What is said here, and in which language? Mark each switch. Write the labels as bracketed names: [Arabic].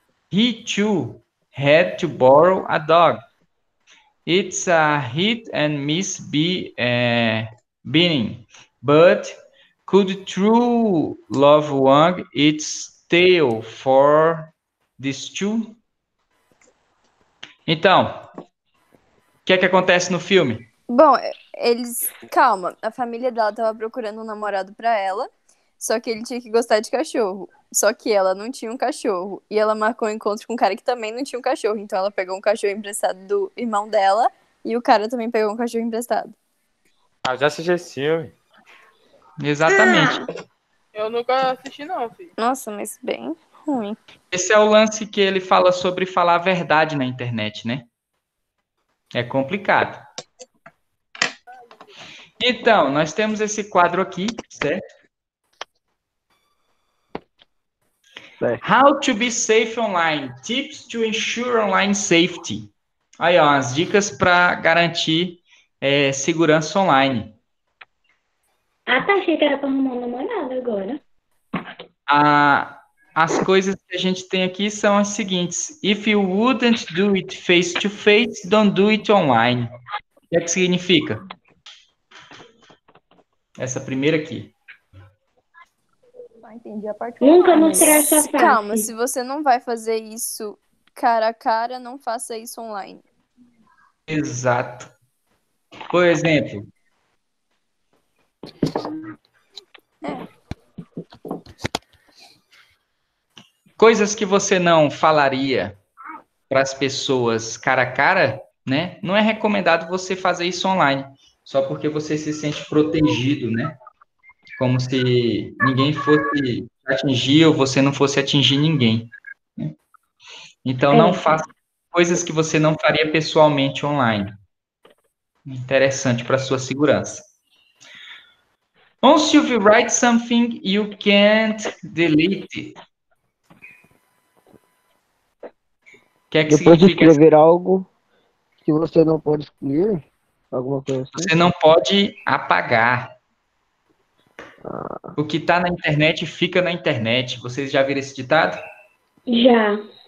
[English] He too had to borrow a dog. It's a hit and miss binning, but could true love wag its tail for these two? [Portuguese] Então, o que é que acontece no filme? Bom, eles. Calma, a família dela tava procurando um namorado pra ela, só que ele tinha que gostar de cachorro. Só que ela não tinha um cachorro. E ela marcou um encontro com um cara que também não tinha um cachorro. Então ela pegou um cachorro emprestado do irmão dela, e o cara também pegou um cachorro emprestado. Ah, já assisti esse filme. Exatamente. Ah! Eu nunca assisti, não, filho. Nossa, mas bem ruim. Esse é o lance que ele fala sobre falar a verdade na internet, né? É complicado. Então, nós temos esse quadro aqui, certo? [English] Certo. How to be safe online. Tips to ensure online safety. [Portuguese] Aí, ó, as dicas para garantir segurança online. Ah, tá, achei que era pra arrumar um namorado agora. As coisas que a gente tem aqui são as seguintes. [English] If you wouldn't do it face to face, don't do it online. [Portuguese] O que é que significa? Essa primeira aqui. Entendi a parte. Nunca mostrar essa frase. Calma, se você não vai fazer isso cara a cara, não faça isso online. Exato. Por exemplo. Coisas que você não falaria para as pessoas cara a cara, né? Não é recomendado você fazer isso online. Só porque você se sente protegido, né? Como se ninguém fosse atingir ou você não fosse atingir ninguém. Né? Então, não faça coisas que você não faria pessoalmente online. Interessante para a sua segurança. [English] Once you write something, you can't delete it. [Portuguese] Que é que depois de escrever algo que você não pode excluir, alguma coisa assim? Você não pode apagar. O que está na internet fica na internet. Vocês já viram esse ditado? Já.